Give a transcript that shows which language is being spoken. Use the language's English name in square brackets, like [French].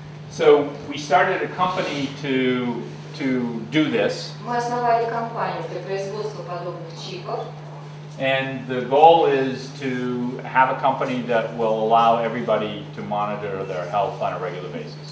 [English] So we started a company to do this. [Russian] Мы основали компанию для производства подобных чипов. [English] And the goal is to have a company that will allow everybody to monitor their health on a regular basis.